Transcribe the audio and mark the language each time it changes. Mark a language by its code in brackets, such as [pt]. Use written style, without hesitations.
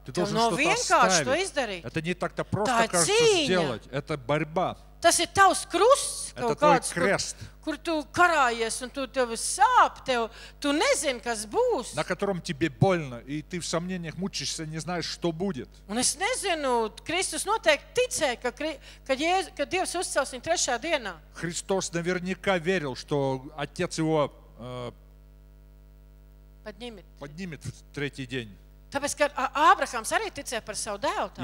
[ru] Ты должен что-то оставить. Это не так-то просто, кажется, сделать. Это борьба. Это твой крест. [lv] Kur tu karājies un tu tev sāp, tev, tu nezini, kas būs. [ru] На котором тебе больно, и ты в сомнениях мучишься, не знаешь, что будет. [lv] Un es nezinu, Kristus noteikti ticēja, ka Dievs uzcels viņu trešā dienā. [ru] Христос наверняка верил, что Отец его поднимет в третий день. [lv] Tāpēc, ka Abrahams arī ticēja par savu dēlu tā.